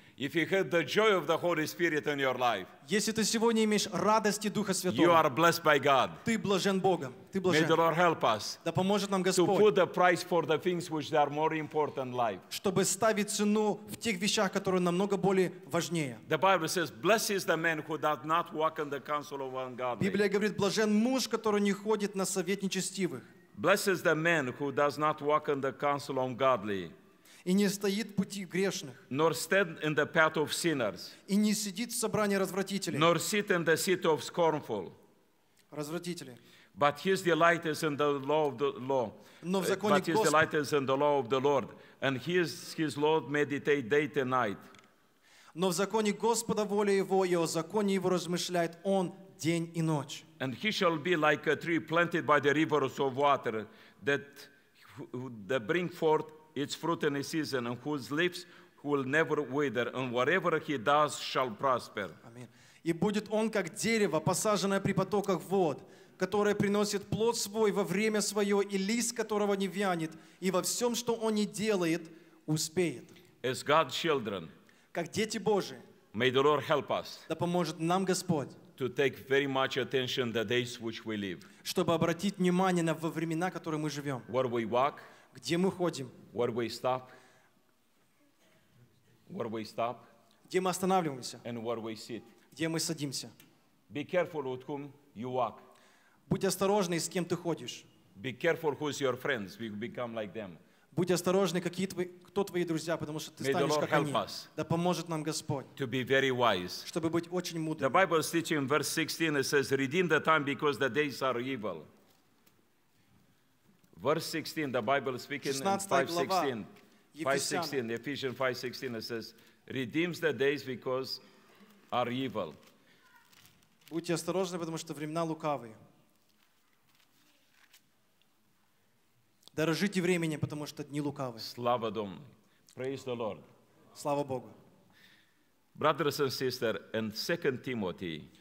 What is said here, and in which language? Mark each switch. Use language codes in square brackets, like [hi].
[en] If you have the joy of the Holy Spirit in your life. [ru] Если ты сегодня имеешь радости Духа Святого. [en] You are blessed by God. [ru] Ты блажен Богом. Ты блажен. [en] May the Lord help us. [ru] Да поможет нам Господь. [en] To put the price for the things which are more important in life. [ru] Чтобы ставить цену в тех вещах, которые намного более важнее. [en] The Bible says, "Blessed is the man who does not walk in the counsel of ungodly." [ru] Библия говорит: блажен муж, который не ходит на совет нечестивых. [en] Blessed is the man who does not walk in the counsel of ungodly. [ru] И не стоит пути грешных. [en] Nor stand in the path of sinners. [ru] И не сидит в собрании развратителей. [en] Nor sit in the seat of scornful. [ru] Развратители. [en] But his delight is in the law of the law. [ru] Но в законе Господа. [en] But his delight is in the law of the Lord, and his Lord meditate day and night. [ru] Но в законе Господа воля его, и о законе его размышляет он день и ночь. [en] And he shall be like a tree planted by the rivers of water, that bring forth its fruit in a season, and whose leaves will never wither, and whatever he does shall prosper. Amen. [ru] И будет он как дерево, посаженное при потоках вод, которое приносит плод свой во время свое, и лист которого не вянет, и во всем, что он не делает, успеет. [en] As God's children, [ru] как дети Божии, [en] may the Lord help us. [ru] Да поможет нам Господь. [en] To take very much attention to the days which we live. [ru] Чтобы обратить внимание на во времена, которые мы живем. [en] Where we walk. [ru] Где мы ходим? [en] Where we stop? Where we stop? [ru] Где мы останавливаемся? [en] And where we sit? [ru] Где мы садимся? [en] Be careful with whom you walk. [ru] Будь осторожный, с кем ты ходишь. [en] Be careful who's your friends. We become like them. [ru] Будь осторожный, какие твои, кто твои друзья, потому что ты станешь как они. [en] May the Lord help us. [ru] Да поможет нам Господь. [en] To be very wise. [ru] Чтобы быть очень мудрым. [en] The Bible is teaching in verse 16. It says, "Redeem the time, because the days are evil." Verse 16, the Bible is speaking in 5:16. 5:16, Ephesians 5:16, it says, "Redeems the days because are evil." [ru] Будьте осторожны, потому что времена лукавые. Дорожите временем, потому что дни лукавые. Слава Дому. [en] Praise the Lord. [ru] Слава Богу. [en] Brothers and sisters, in 2 Timothy.